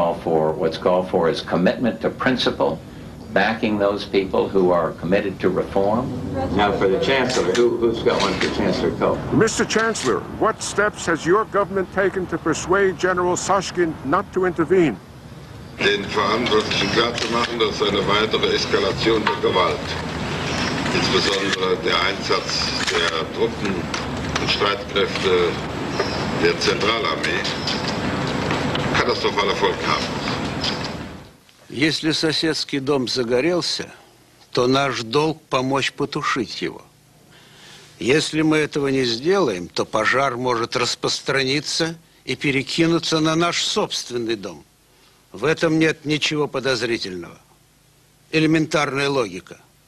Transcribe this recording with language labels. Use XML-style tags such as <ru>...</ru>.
<en>What's called for is commitment to principle, backing those people who are committed to reform. Now for the Chancellor, who's got one for Chancellor Kohl? Mr. Chancellor, what steps has your government taken to persuade General Sashkin not to intervene?</en> <de>Den Verantwortlichen klarzumachen, dass eine weitere Eskalation der Gewalt, insbesondere der Einsatz der Truppen und Streitkräfte der Zentralarmee, katastrophaler Erfolg haben.</de> <ru>Если соседский дом загорелся, то наш долг помочь потушить его. Если мы этого не сделаем, то пожар может распространиться и перекинуться на наш собственный дом. В этом нет ничего подозрительного. Элементарная логика.</ru>